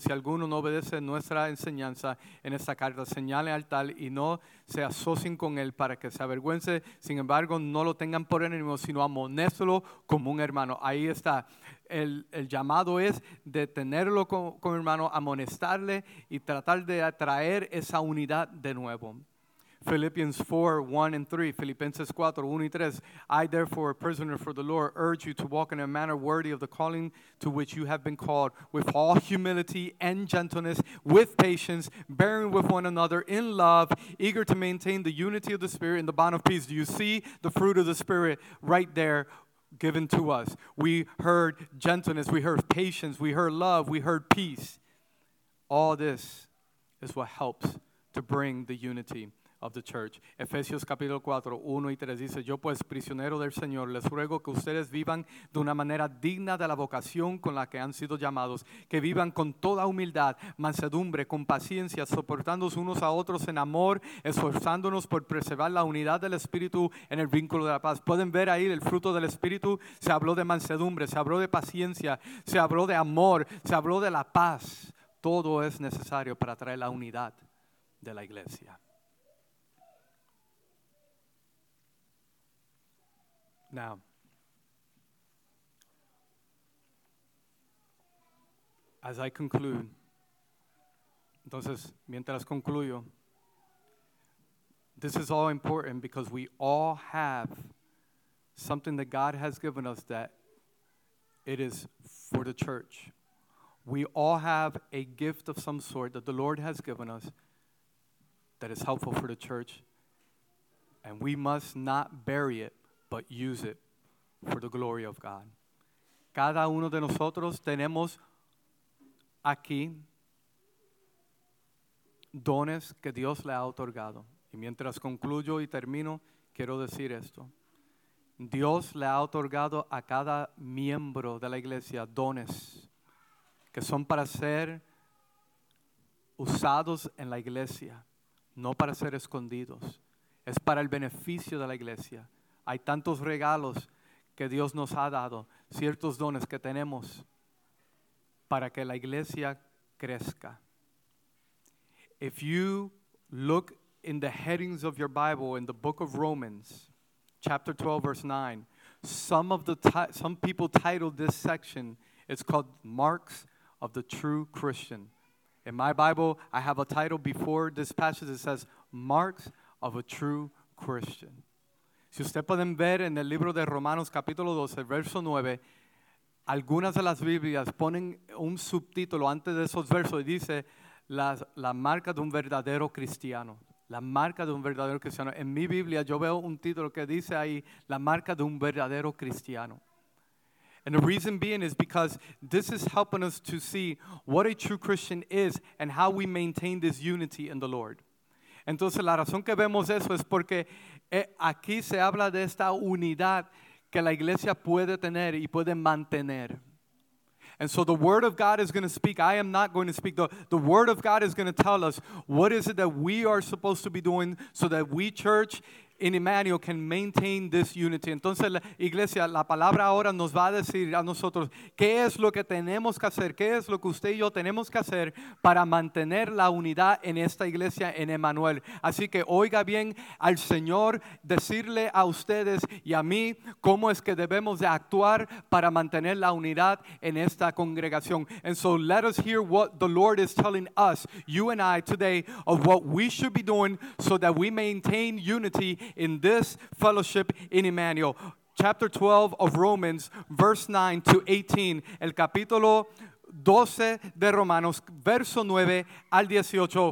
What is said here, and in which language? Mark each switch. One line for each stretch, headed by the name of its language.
Spanish: Si alguno no obedece nuestra enseñanza en esta carta, señale al tal y no se asocien con él para que se avergüence. Sin embargo, no lo tengan por enemigo, sino amonéstelo como un hermano. Ahí está. El llamado es de tenerlo como hermano, amonestarle y tratar de atraer esa unidad de nuevo.
English: Philippians 4, 1 and 3.
Spanish: Filipenses 4, 1 y 3.
English: I therefore, a prisoner for the Lord, urge you to walk in a manner worthy of the calling to which you have been called, with all humility and gentleness, with patience, bearing with one another in love, eager to maintain the unity of the Spirit in the bond of peace. Do you see the fruit of the Spirit right there given to us? We heard gentleness, we heard patience, we heard love, we heard peace. All this is what helps to bring the unity of the church.
Spanish: Efesios capítulo 4, 1 y 3 dice, yo pues prisionero del Señor, les ruego que ustedes vivan de una manera digna de la vocación con la que han sido llamados, que vivan con toda humildad, mansedumbre, con paciencia, soportándose unos a otros en amor, esforzándonos por preservar la unidad del Espíritu en el vínculo de la paz. Pueden ver ahí el fruto del Espíritu, se habló de mansedumbre, se habló de paciencia, se habló de amor, se habló de la paz. Todo es necesario para traer la unidad de la iglesia.
English: Now, as I conclude,
Spanish: entonces, mientras concluyo,
English: this is all important because we all have something that God has given us that it is for the church. We all have a gift of some sort that the Lord has given us that is helpful for the church, and we must not bury it, but use it for the glory of God.
Spanish: Cada uno de nosotros tenemos aquí dones que Dios le ha otorgado. Y mientras concluyo y termino, quiero decir esto. Dios le ha otorgado a cada miembro de la iglesia dones que son para ser usados en la iglesia, no para ser escondidos. Es para el beneficio de la iglesia. Hay tantos regalos que Dios nos ha dado, ciertos dones que tenemos para que la iglesia crezca.
English: If you look in the headings of your Bible, in the book of Romans, chapter 12, verse 9, some people titled this section, it's called Marks of the True Christian. In my Bible, I have a title before this passage, it says Marks of a True Christian.
Spanish: Si ustedes pueden ver en el libro de Romanos capítulo 12, verso 9, algunas de las Biblias ponen un subtítulo antes de esos versos y dice la marca de un verdadero cristiano. La marca de un verdadero cristiano. En mi Biblia yo veo un título que dice ahí la marca de un verdadero cristiano.
English: And the reason being is because this is helping us to see what a true Christian is and how we maintain this unity in the Lord.
Spanish: Entonces la razón que vemos eso es porque aquí se habla de esta unidad que la iglesia puede tener y puede mantener.
English: And so the word of God is going to speak. I am not going to speak. The word of God is going to tell us what is it that we are supposed to be doing so that we, church, in Emmanuel, can maintain this unity.
Spanish: Entonces, la iglesia, la palabra ahora nos va a decir a nosotros qué es lo que tenemos que hacer, qué es lo que usted y yo tenemos que hacer para mantener la unidad en esta iglesia, en Emmanuel. Así que oiga bien al Señor decirle a ustedes y a mí cómo es que debemos de actuar para mantener la unidad en esta congregación.
English: And so let us hear what the Lord is telling us, you and I, today, of what we should be doing so that we maintain unity in this fellowship in Emmanuel. Chapter 12 of Romans, verse 9 to 18.
Spanish: El capítulo 12 de Romanos, verso 9 al 18.